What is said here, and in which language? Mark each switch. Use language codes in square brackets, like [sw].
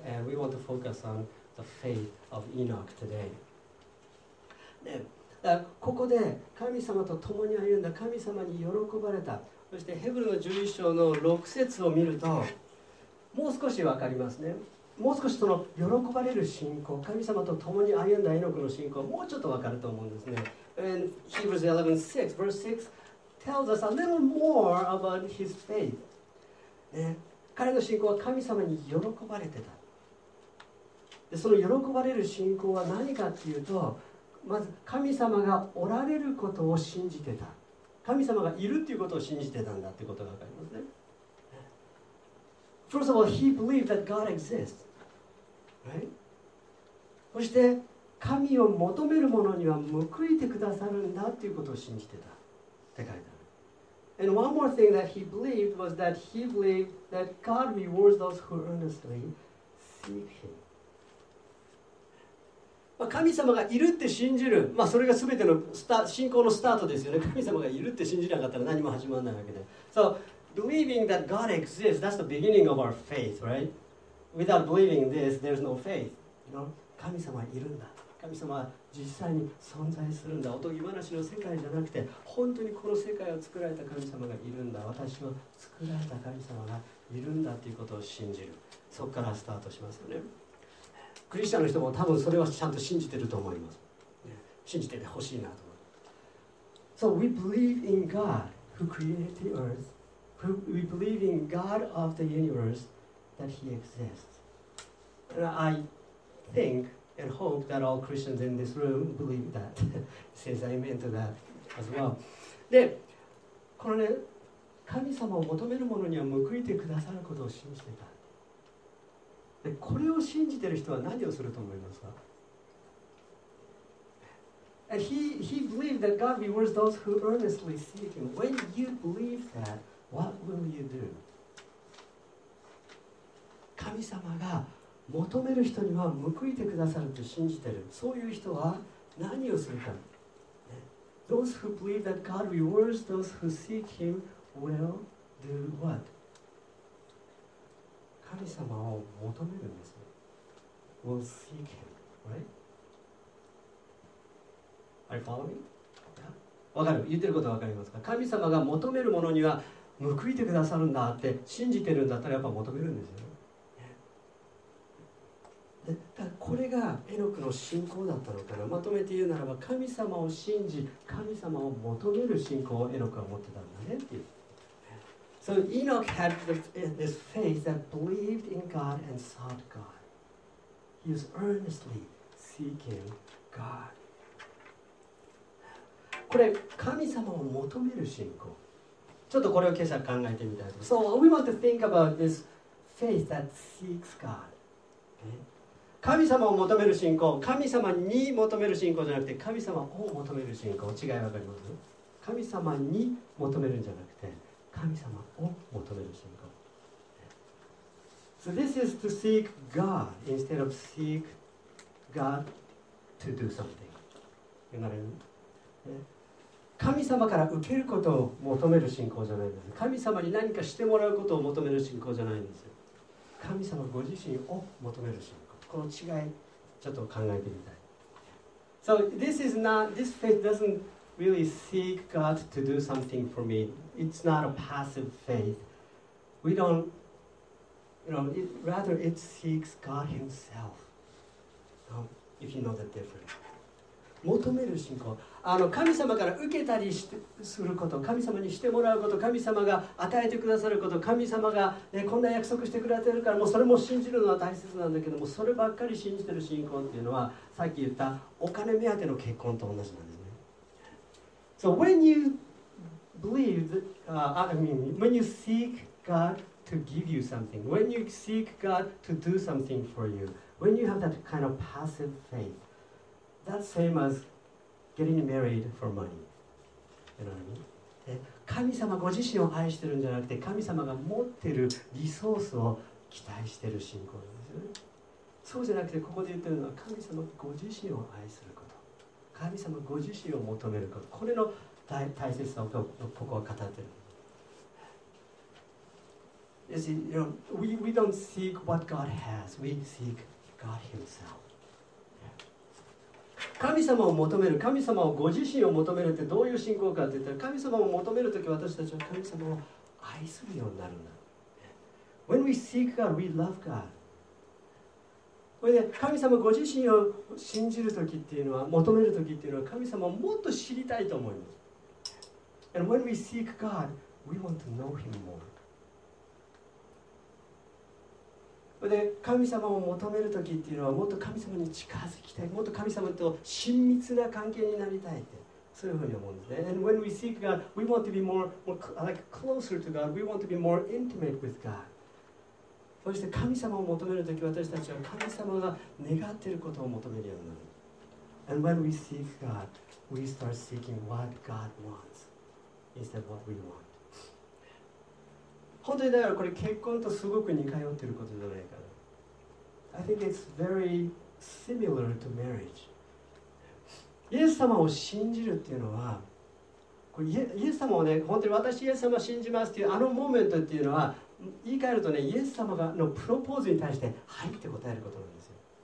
[en] And we want to focus on the faith of Enoch today. [ja] ここで神様と共に歩んだ神様に喜ばれた。そしてヘブルの11章の6節を見るともう少し分かりますね。もう少しその喜ばれる信仰、神様と共に歩んだエノクの信仰、もうちょっと分かると思うんですね。 [en] And Hebrews 11:6, verse 6 tells us a little more about his faith.、 [ja] ね、彼の信仰は神様に喜ばれてた。でその喜ばれる信仰は何かっていうと、まず神様がおられることを信じてた。神様がいるっていうことを信じてたんだってことがわかりますね。 [en] First of all, he believed that God exists. Right? [ja] そして神を求める者には報いてくださるんだっていうことを信じてたって書いてある。 [en] And one more thing that he believed was that he believed that God rewards those who earnestly seek him. [ja] 神様がいるって信じる、まあ、それが全ての信仰のスタートですよね。神様がいるって信じなかったら何も始まらないわけで。 [en] So, believing that God exists, that's the beginning of our faith, right? Without believing this, there's no faith. You know? [ja] 神様いるんだ。神様は実際に存在するんだ。おとぎ話の世界じゃなくて、本当にこの世界を作られた神様がいるんだ。私を作られた神様がいるんだということを信じる。そこからスタートしますよね。クリスチャンの人も多分それはちゃんと信じてると思います。信じててほしいなと思います。 [en] So we believe in God who created the earth. We believe in God of the universe that he exists. And I think and hope that all Christians in this room believe that. Says amen to that as well. [ja] で、このね、神様を求める者には報いてくださることを信じてた。でこれを信じてる人は何をすると思いますか？ [en] He believed that God rewards those who earnestly seek him. When you believe that, what will you do? [ja] 神様が求める人には報いてくださると信じてる。そういう人は何をするか？ [en] Those who believe that God rewards those who seek him will do what? [ja] 神様を求めるんですね。 [en] We'll seek him, right? Are you following? [ja] わかる。言ってることはわかりますか。神様が求める者には報いてくださるんだって信じてるんだったらやっぱ求めるんですよ。で、だこれがエノクの信仰だったのかな。まとめて言うならば、神様を信じ、神様を求める信仰をエノクは持ってたんだねっていう。 [en] So Enoch had this faith that believed in God and sought God. He was earnestly seeking God. [ja] これ神様を求める信仰。ちょっとこれを今朝考えてみたいと思います。 [en] So we want to think about this faith that seeks God. [ja] 神様を求める信仰、神様に求める信仰じゃなくて神様を求める信仰。違いわかります？神様に求めるんじゃなくて。神様を求める信仰。 [en] So this is to seek God instead of seek God to do something. You know what I mean? [ja] 神様から受けることを求める信仰じゃないんです。神様に何かしてもらうことを求める信仰じゃないんです。神様ご自身を求める信仰。この違いちょっと考えてみたい。 [en] So this is not, this faith doesn't really seek God to do something for me. It's not a passive faith. We don't, you know, it, rather it seeks God himself. If you know the difference. [ja] 求める信仰。神様から受けたりしてすること、神様にしてもらうこと、神様が与えてくださること、神様が、ね、こんな約束してくれてるから、もうそれも信じるのは大切なんだけども、そればっかり信じてる信仰っていうのは、さっき言ったお金目当ての結婚と同じなんですね。 [en] So when you... when you seek God to give you something, when you seek God to do something for you, when you have that kind of passive faith, that's same as getting married for money. You know what I mean? [ja] 神様ご自身を愛してるんじゃなくて、神様が持ってるリソースを期待してる信仰ですよね。そうじゃなくて、ここで言ってるのは神様ご自身を愛すること、神様ご自身を求めること、これの大切さをここは語っている。 [en] You see, you know, we don't seek what God has. We seek God Himself. [ja] 神様を求める、神様をご自身を求めるってどういう信仰かって言ったら、神様を求めるとき私たちは神様を愛するようになるんだ。 [en] When we seek God, we love God. [ja] これで神様ご自身を信じるときっていうのは、求めるときっていうのは、神様をもっと知りたいと思います。 [en] And when we seek God, we want to know Him more. [ja] で神様を求めるときっていうのはもっと神様に近づきたい、もっと神様と親密な関係になりたいってそういうふうに思うんですね。 [en] And when we seek God, we want to be more like closer to God. We want to be more intimate with God. [ja] そして神様を求めるとき私たちは神様が願っていることを求めるようになる。 [en] And when we seek God, we start seeking what God wants instead of what we want. [ja] 本当にだからこれ結婚とすごく似通っていることじゃないかな。 [en] I think it's very similar to marriage. [ja] イエス様を信じるっていうのは、これイエス様をね、本当に私イエス様を信じますっていうあのモーメントっていうのは、言い換えるとね、イエス様がのプロポーズに対してはいって答えることなんですよ。